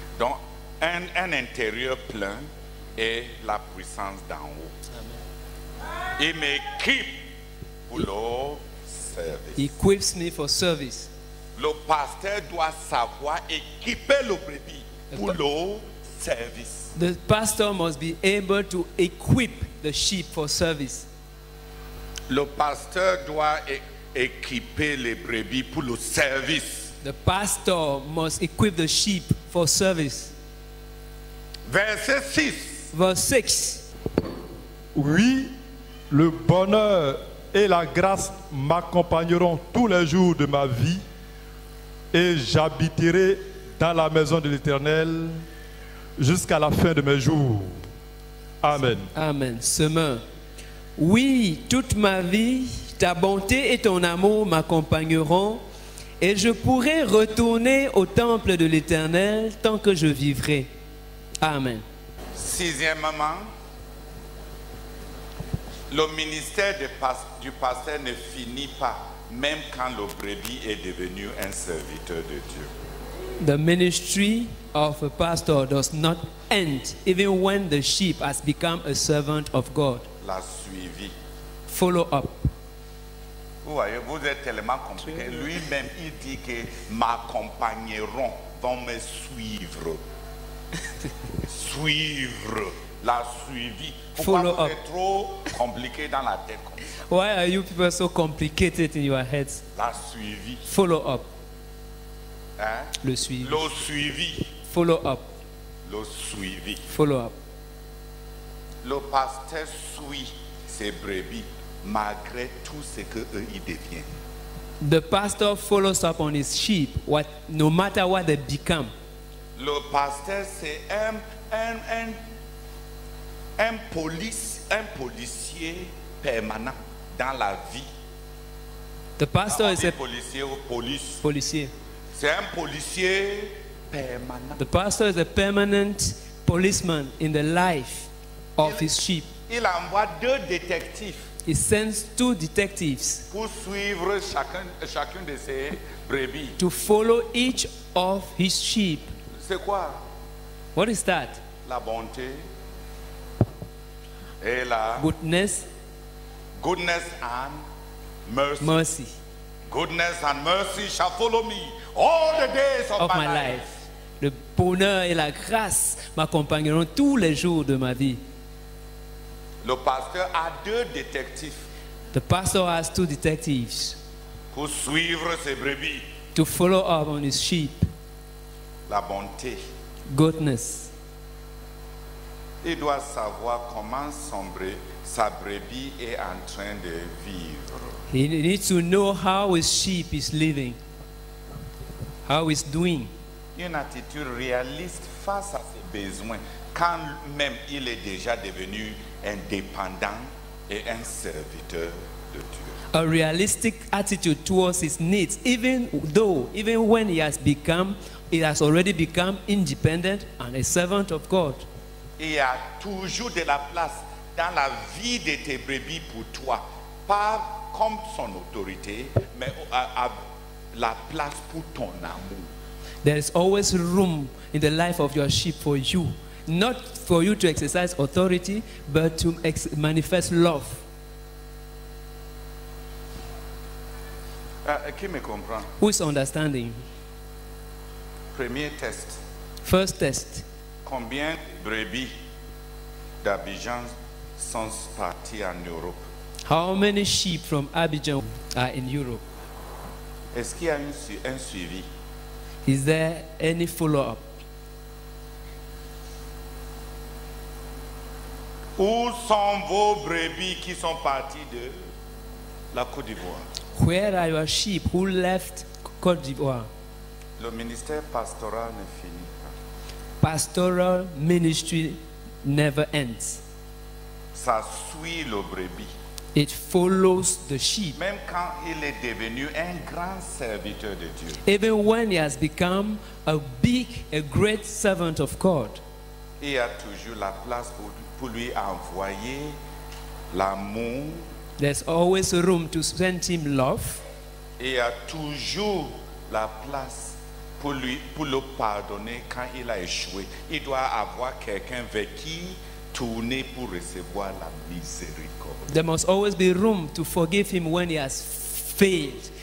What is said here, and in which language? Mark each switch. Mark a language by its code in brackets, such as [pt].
[fr] Donc, un intérieur plein est la puissance d'en haut. Amen. [en] He may keep below service. He equips me for service. [fr] Le pasteur doit savoir équiper le brebis pour le service. [en] The pastor must be able to equip the sheep for service. [fr] Le pasteur doit équiper les brebis pour le service. [en] The pastor must equip the sheep for service. [fr] Verset 6. [en] Verse 6. [fr] Oui, le bonheur et la grâce m'accompagneront tous les jours de ma vie et j'habiterai dans la maison de l'Éternel jusqu'à la fin de mes jours. Amen. Amen. Semeur. Oui, toute ma vie, ta bonté et ton amour m'accompagneront et je pourrai retourner au temple de l'Éternel tant que je vivrai. Amen. Sixièmement, le ministère du pasteur ne finit pas même quand le brebis est devenu un serviteur de Dieu. [en] The ministry of a pastor does not end even when the sheep has become a servant of God. [fr] La suivi. [en] Follow up. [fr] Vous voyez, vous êtes tellement compliqué. Lui-même, il dit que m'accompagneront, vont me suivre. Suivre. La suivi. [en] Follow up. [fr] Pourquoi vous êtes trop compliqué dans la tête comme ça? [en] Why are you people so complicated in your heads? [fr] La suivi. [en] Follow up. [fr] Hein? Le suivi. Le suivi. [en] Follow up. [fr] Le suivi. [en] Follow up. [fr] Le pasteur suit ses brebis malgré tout ce que eux y deviennent. [en] The pastor follows up on his sheep, what, no matter what they become. [fr] Le pasteur c'est un policier permanent dans la vie. [en] The pastor is a [fr] policier ou police. Policier. C'est un policier permanent. [en] The pastor is a permanent policeman in the life of his sheep. [fr] Il envoie deux détectives. [en] He sends two detectives [fr] pour suivre chacun de ses brebis. [en] To follow each of his sheep. [fr] C'est quoi? [en] What is that? [fr] La bonté et la [en] goodness. Goodness and mercy. Mercy. Goodness and mercy shall follow me all the days of my life. [fr] Le bonheur et la grâce m'accompagneront tous les jours de ma vie. Le pasteur a deux détectives. [en] The pastor has two detectives. [fr] Pour suivre ses brebis. [en] To follow up on his sheep. [fr] La bonté. [en] Goodness. [fr] Il doit savoir comment sa brebis est en train de vivre. [en] He needs to know how his sheep is living. How he's doing. [fr] Une attitude réaliste face à ses besoins. Quand même il est déjà devenu indépendant et un serviteur de Dieu. [en] A realistic attitude towards his needs, even when he has already become independent and a servant of God. [fr] Il y a toujours de la place dans la vie de tes brebis pour toi, pas comme son autorité, mais à la place pour ton amour. [en] There is always room in the life of your sheep for you. Not for you to exercise authority, but to manifest love. [fr] Qui me comprend? [en] Who is understanding? [fr] Premier test. [en] First test. [fr] Combien brebis d'Abidjan sont partis en Europe? [en] How many sheep from Abidjan are in Europe? [fr] Est-ce qu'il y a un suivi? [en] Is there any follow-up? [fr] Où sont vos brebis qui sont partis de la Côte d'Ivoire? [en] Where are your sheep who left Côte d'Ivoire? [fr] Le ministère pastoral ne finit pas. [en] Pastoral ministry never ends. [fr] Ça suit le brebis. [en] It follows the sheep. [fr] Même quand il est devenu un grand serviteur de Dieu. [en] Even when he has become a great servant of God. [fr] Il y a toujours la place pour lui. Pour lui envoyer l'amour. [en] There's always a room to send him love. [fr] Il y a toujours la place pour le pardonner quand il a échoué. Il doit avoir quelqu'un avec qui tourner pour recevoir la miséricorde. [en] There must always be room to forgive him when he has failed.